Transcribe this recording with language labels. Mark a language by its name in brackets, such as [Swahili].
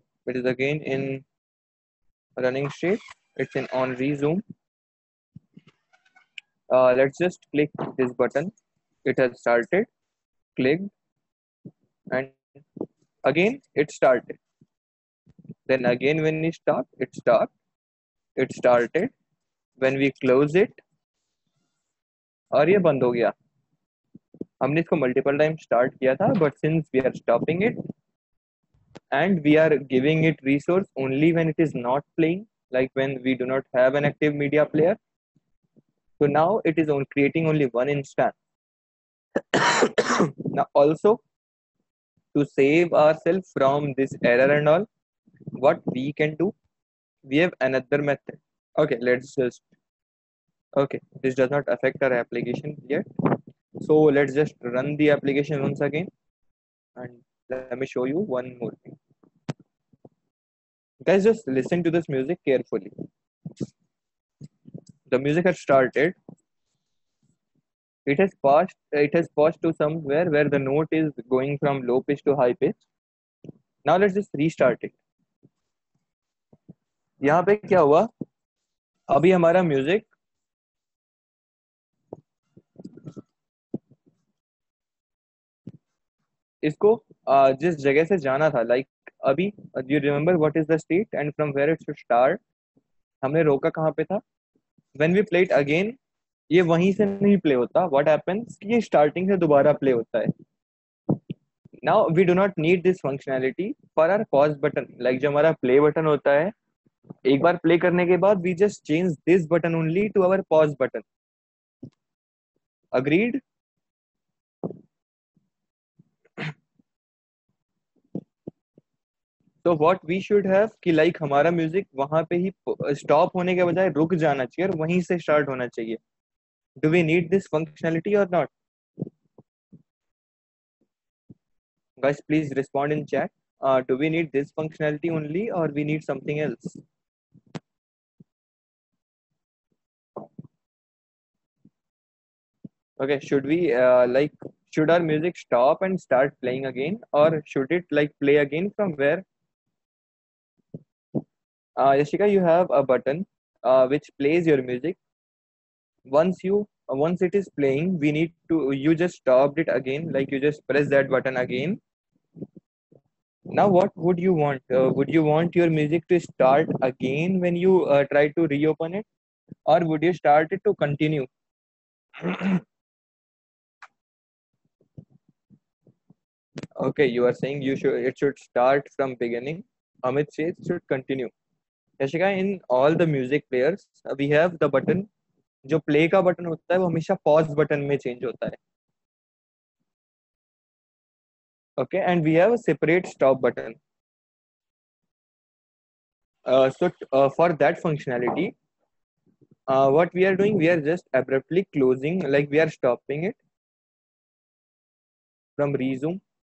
[English] It is again in running straight. It's in on resume. Let's just click this button. It has started. Click. And again, it started. Then again, when we stop, it stopped. It started. When we close it, [Hindi] और ये बंद हो गया. हमने इसको multiple time start किया था, [English] But since we are stopping it and we are giving it resource only when it is not playing, like when we do not have an active media player, so now it is creating only one instance. Now also to save ourselves from this error and all, what we can do, we have another method. Okay, let's just okay, this does not affect our application yet, so let's just run the application once again and let me show you one more thing. Guys, just listen to this music carefully. The music has started. It has paused to somewhere where the note is going from low pitch to high pitch. Now let's just restart it. [Hindi] Yahan pe kya hua, abhi hamara music इसको जिस जगह से जाना था, like अभी [English] you remember what is the state and from where it should start, [Hindi] हमने रोका कहाँ पे था. [English] when we play it again, [Hindi] ये वहीं से नहीं प्ले होता. [English] what happens [Hindi] कि ये स्टार्टिंग से दोबारा प्ले होता है. [English] now we do not need this functionality for our pause button, like [Hindi] जो हमारा प्ले बटन होता है, एक बार प्ले करने के बाद [English] We just change this button only to our pause button. Agreed? So what we should have [Hindi] कि like हमारा music वहाँ पे ही stop होने के बजाय रुक जाना चाहिए और वहीं से start होना चाहिए. [English] Do we need this functionality or not? Guys, please respond in chat. Do we need this functionality only or we need something else? Okay, should we should our music stop and start playing again, or should it like play again from where? Yashika, you have a button which plays your music. Once it is playing, we need to, you just stopped it again, like you just press that button again. Now what would you want? Would you want your music to start again when you try to reopen it, or would you start it to continue? Okay, you are saying it should start from beginning. Amit says it should continue. Yashika, in all the music players, we have the button. [Hindi] जो play का button होता है वो हमेशा pause button में change होता है. [English] Okay, and we have a separate stop button. For that functionality, what we are doing, we are just abruptly closing, like we are stopping it from resume.